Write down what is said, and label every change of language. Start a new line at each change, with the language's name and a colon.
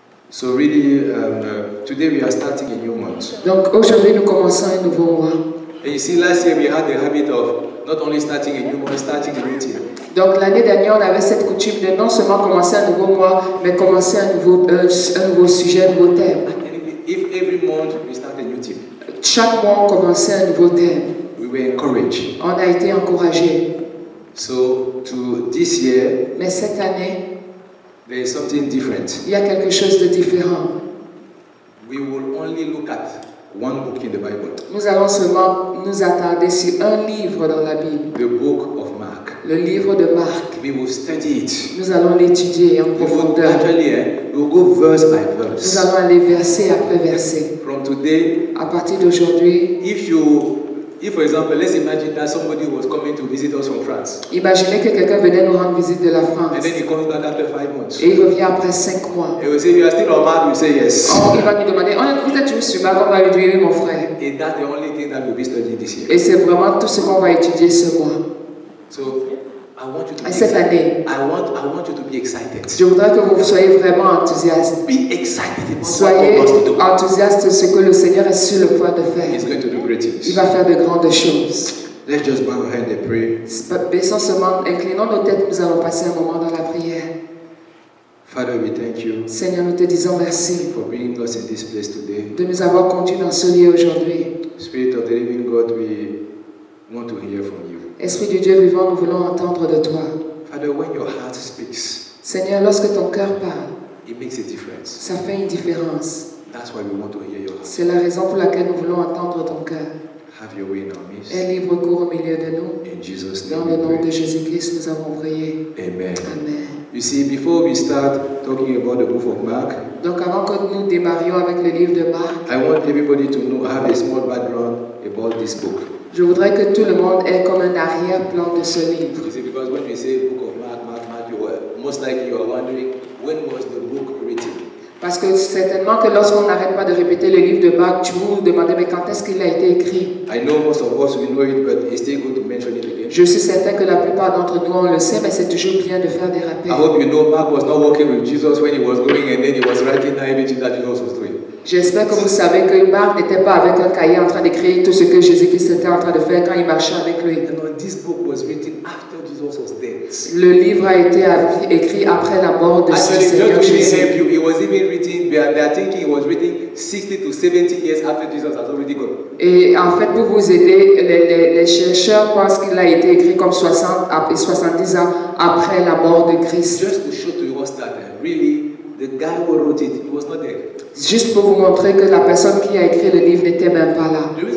English: So really, today we are starting a new month.
French: Donc aujourd'hui nous commençons un nouveau mois.
English: And you see, last year we had the habit of not only starting a new month, starting a routine.
French: Donc l'année dernière on avait cette coutume de non seulement commencer un nouveau mois, mais commencer un nouveau sujet, un nouveau thème.
English: If every month we start a new theme.
French: Chaque mois on commençait un nouveau thème.
English: We were encouraged.
French: On a été encouragés.
English: So to this year.
French: Mais cette année.
English: There is something different.
French: Il y a quelque chose de différent.
English: We will only look at one book in the Bible.
French: Nous allons seulement nous attarder sur un livre dans la Bible.
English: The book of Mark.
French: Le livre de Marc.
English: We will study it.
French: Nous allons l'étudier en profondeur.
English: We'll go verse by verse.
French: Nous allons aller verset après verset.
English: From today,
French: à partir d'aujourd'hui,
English: if for example, let's imagine that somebody was coming to visit us from France.
French: Imaginez que quelqu'un venait nous rendre visite de la France.
English: And then he comes back after 5 months.
French: Et il revient après 5 mois.
English: And we say, you are still on Mark. We say yes.
French: Oh, il va nous demander, on est toujours sur Mark. On va lui dire oui, mon frère.
English: And that's the only thing that we'll be studying this year.
French: Et c'est vraiment tout ce qu'on va étudier ce mois.
English: So I want you to.
French: Et cette année.
English: I want you to be excited.
French: Je voudrais que vous soyez vraiment enthousiaste.
English: Be excited.
French: Soyez enthousiaste de ce que le Seigneur est sur le point de faire.
English: He's going to do great things.
French: Il va faire de grandes choses.
English: Let's just bow our head and pray.
French: Baissons seulement, inclinons nos têtes, nous allons passer un moment dans la prière.
English: Father, we thank you.
French: Seigneur, nous te disons merci.
English: For bringing us in this place today.
French: De nous avoir conduits dans ce lieu aujourd'hui.
English: Spirit of the living God, we want to hear from you.
French: Esprit du Dieu vivant, nous voulons entendre de toi.
English: Father, when your heart speaks,
French: Seigneur, lorsque ton cœur parle,
English: it makes a difference.
French: Ça fait une différence.
English: That's why we want to hear your heart.
French: C'est la raison pour laquelle nous voulons entendre ton cœur.
English: Have your way in our midst.
French: Aie libre cours au milieu de nous.
English: In Jesus' name.
French: Dans le nom de Jésus-Christ, nous avons prié.
English: Amen.
French: Amen.
English: You see, before we start talking about the book of Mark.
French: Donc avant que nous démarrions avec le livre de Marc.
English: I want everybody to know, have a small background about this book.
French: Je voudrais que tout le monde ait comme un arrière-plan de ce livre.
English: You see, because when we say book of Mark, you were most likely you are wondering when was the book written.
French: Parce que certainement que lorsqu'on n'arrête pas de répéter le livre de Marc, tu vous demandez mais quand est-ce qu'il a été écrit?
English: I know most of us we know it, but it's still good to mention it again.
French: Je suis certain que la plupart d'entre nous on le sait, mais c'est toujours bien de faire des rappels.
English: I hope you know Mark was not working with Jesus when he was going, and then he was writing the image that Jesus was doing.
French: J'espère que vous savez que Marc n'était pas avec un cahier en train d'écrire tout ce que Jésus-Christ était en train de faire quand il marchait avec lui.
English: And when this book was written after Jesus was dead.
French: Le livre a été écrit après la mort de ce Seigneur Jésus.
English: Help you, it was even written, they are thinking it was written 60 to 70 years after Jesus has already gone.
French: Et en fait, pour vous aider, les chercheurs pensent qu'il a été écrit comme 70 ans après la mort de Christ.
English: Just to show to you what's that, really, the guy who wrote it, he was not there.
French: Juste pour vous montrer que la personne qui a écrit le livre n'était même pas là.